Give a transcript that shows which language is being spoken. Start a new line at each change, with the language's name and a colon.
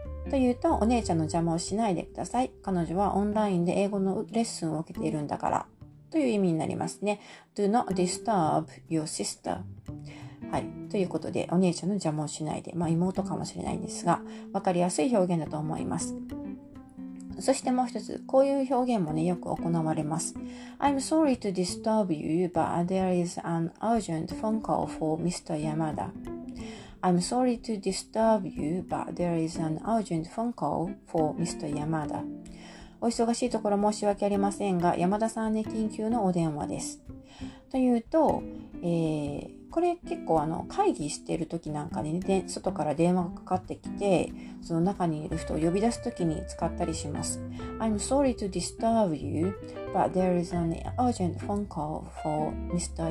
Japanese: というと、お姉ちゃんの邪魔をしないでください、彼女はオンラインで英語のレッスンを受けているんだから、という意味になりますね。
English: Do not disturb your sister。
Japanese: はい、ということで、お姉ちゃんの邪魔をしないで、まあ、妹かもしれないんですが、分かりやすい表現だと思います。そしてもう一つ、こういう表現もね、よく行われます。
English: I'm sorry to disturb you, but there is an urgent phone call for Mr. Yamada. I'm sorry to disturb you, but there is an urgent phone call for Mr. Yamada.
Japanese: お忙しいところ申し訳ありませんが、山田さんに緊急のお電話です、というと、これ結構会議してる時なんかに、ね、外から電話がかかってきて、その中にいる人を呼び出す時に使ったりします。
English: I'm sorry to disturb you, but there is an urgent phone call for Mr.